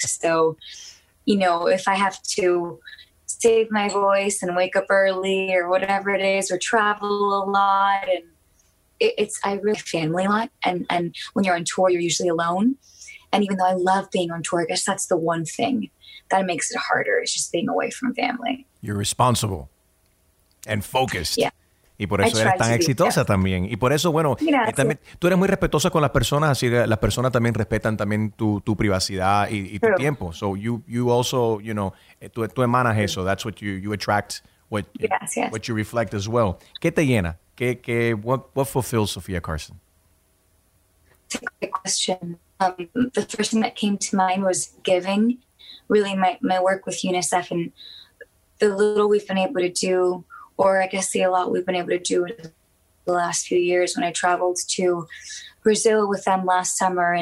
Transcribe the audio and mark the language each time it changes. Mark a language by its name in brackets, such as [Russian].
[English] So, you know, if I have to save my voice and wake up early or whatever it is, or travel a lot, and it's, I really family a lot. And when you're on tour, you're usually alone. And even though I love being on tour, I guess that's the one thing that makes it harder, is just being away from family. You're responsible and focused. Yeah. [Spanish] Y por eso eres tan exitosa también. Y por eso, bueno, también, tú eres muy respetuosa con las personas, así que las personas también respetan también tu privacidad y tu tiempo. [English] So you also, you know, [Spanish] tú emanas eso. [English] That's what you attract, what you reflect as well. [Spanish] ¿Qué te llena? ¿Qué [English] what fulfills [Spanish] Sophia Carson? [English] That's a great question. The first thing that came to mind was giving. Really, my work with UNICEF and the little we've been able to do, or I guess the a lot we've been able to do in the last few years when I traveled to Brazil with them last summer.